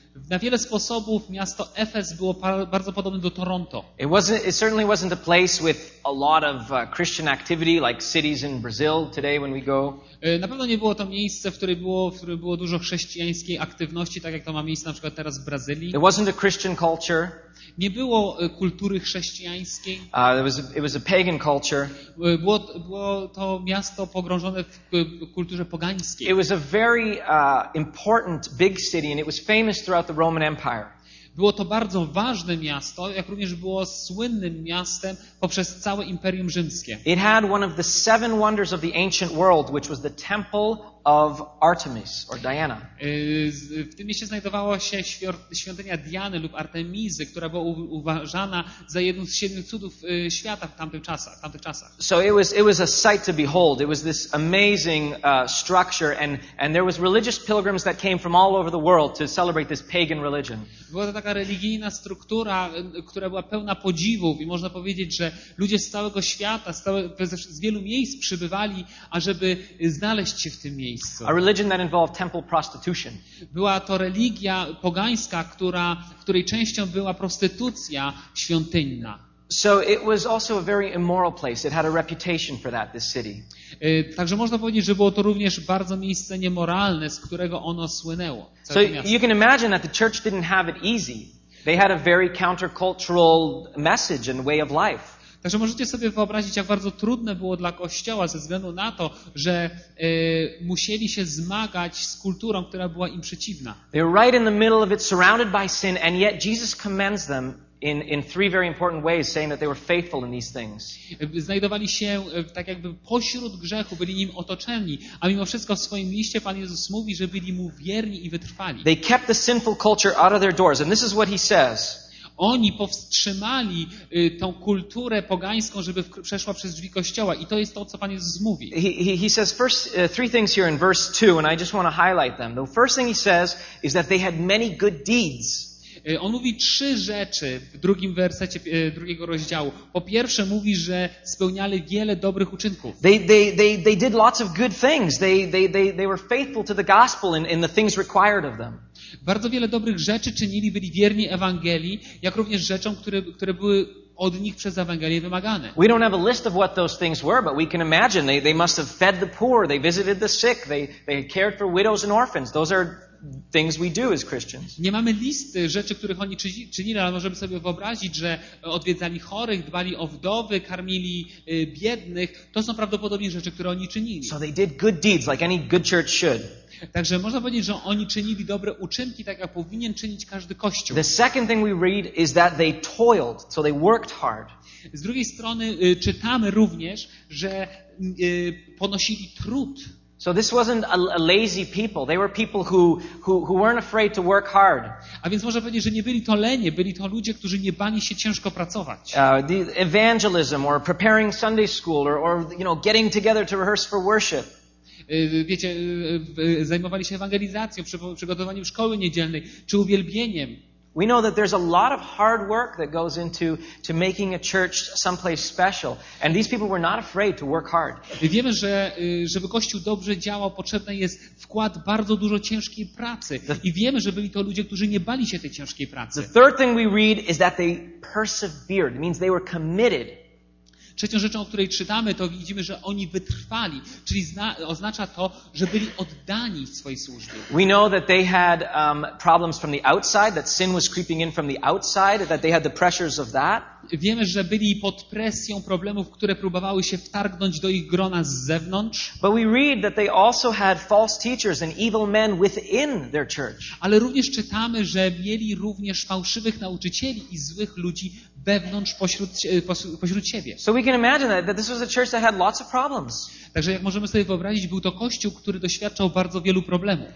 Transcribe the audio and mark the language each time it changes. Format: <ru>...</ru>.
<pl>Na wiele sposobów miasto Efes było bardzo podobne do Toronto.</pl> <en>It certainly wasn't a place with a lot of Christian activity like cities in Brazil today when we go.</en> <pl>Na pewno nie było to miejsce, w którym było dużo chrześcijańskiej aktywności, tak jak to ma miejsce na przykład teraz w Brazylii.</pl> <en>There wasn't a Christian culture.</en> <pl>Nie było kultury chrześcijańskiej.</pl> <en>It was a pagan culture.</en> <pl>Było to miasto pogrążone w kulturze pogańskiej.</pl> <en>It was a very important big city and it was famous throughout the Roman Empire.</en> <pl>Było to bardzo ważne miasto, jak również było słynnym miastem poprzez całe Imperium Rzymskie.</pl> <en>It had one of the seven wonders of the ancient world, which was the temple of Artemis or Diana.</en> <pl>W tym mieście znajdowała się świątynia Diany lub Artemizy, która była uważana za jedną z siedmiu cudów świata w tamtych czasach.</pl> <en>So it was a sight to behold. It was this amazing structure and there was religious pilgrims that came from all over the world to celebrate this pagan religion.</en> <pl>Była to taka religijna struktura, która była pełna podziwów i można powiedzieć, że ludzie z całego świata, z wielu miejsc przybywali, ażeby znaleźć się w tym miejscu.</pl> <en>A religion that involved temple prostitution.</en> <pl>Była to religia pogańska, której częścią była prostytucja świątynna.</pl> <en>So it was also a very immoral place. It had a reputation for that, this city.</en> <pl>Także można powiedzieć, że było to również bardzo miejsce niemoralne, z którego ono słynęło.</pl> <en>So you can imagine that the church didn't have it easy. They had a very countercultural message and way of life.</en> <pl>Także możecie sobie wyobrazić, jak bardzo trudne było dla Kościoła ze względu na to, że musieli się zmagać z kulturą, która była im przeciwna.</pl> <en>They're right in the middle of it, surrounded by sin, and yet Jesus commends them in three very important ways, saying that they were faithful in these things.</en> <pl>Znajdowali się tak jakby pośród grzechu, byli nim otoczeni, a mimo wszystko w swoim liście Pan Jezus mówi, że byli mu wierni i wytrwali.</pl> <en>They kept the sinful culture out of their doors, and this is what he says.</en> <pl>Oni powstrzymali tą kulturę pogańską, żeby przeszła przez drzwi kościoła. I to jest to, co Pan Jezus mówi.</pl> <en>He says first three things here in verse 2, and I just want to highlight them. The first thing he says is that they had many good deeds.</en> <pl>On mówi trzy rzeczy w drugim wersecie drugiego rozdziału. Po pierwsze mówi, że spełniali wiele dobrych uczynków.</pl> <en>They did lots of good things. They were faithful to the gospel in the things required of them.</en> <pl>Bardzo wiele dobrych rzeczy czynili, byli wierni Ewangelii, jak również rzeczom, które były od nich przez Ewangelię wymagane.</pl> <en>We don't have a list of what those things were, but we can imagine they must have fed the poor, they visited the sick, they cared for widows and orphans. Those are things we do as Christians.</en> <pl>Nie mamy listy rzeczy, których oni czynili, ale możemy sobie wyobrazić, że odwiedzali chorych, dbali o wdowy, karmili biednych. To są prawdopodobnie rzeczy, które oni czynili.</pl> <en>So they did good deeds, like any good church should.</en> <pl>Także można powiedzieć, że oni czynili dobre uczynki, tak jak powinien czynić każdy kościół.</pl> <en>The second thing we read is that they toiled, so they worked hard.</en> <pl>Z drugiej strony czytamy również, że ponosili trud.</pl> <en>So this wasn't a lazy people. They were people who weren't afraid to work hard.</en> <pl>A więc można powiedzieć, że nie byli to lenie, byli to ludzie, którzy nie bali się ciężko pracować.</pl> <en>The evangelism or preparing Sunday school or you know getting together to rehearse for worship.</en> <pl>Wiecie, zajmowali się ewangelizacją, przygotowaniem szkoły niedzielnej czy uwielbieniem.</pl> <en>We know that there's a lot of hard work that goes into making a church someplace special, and these people were not afraid to work hard.</en> <pl>Wiemy, że żeby kościół dobrze działał, potrzebny jest wkład bardzo dużo ciężkiej pracy. I wiemy, że byli to ludzie, którzy nie bali się tej ciężkiej pracy.</pl> <en>The third thing we read is that they persevered. It means they were committed.</en> <pl>Trzecią rzeczą, o której czytamy, to widzimy, że oni wytrwali, czyli oznacza to, że byli oddani swojej służbie.</pl> <en>We know that they had problems from the outside, that sin was creeping in from the outside, that they had the pressures of that.</en> <pl>Wiemy, że byli pod presją problemów, które próbowały się wtargnąć do ich grona z zewnątrz.</pl> <en>But we read that they also had false teachers and evil men within their church.</en> <pl>Ale również czytamy, że mieli również fałszywych nauczycieli i złych ludzi wewnątrz pośród siebie.</pl> <en>So we can imagine that this was a church that had lots of problems.</en> <pl>Także jak możemy sobie wyobrazić, był to kościół, który doświadczał bardzo wielu problemów.</pl>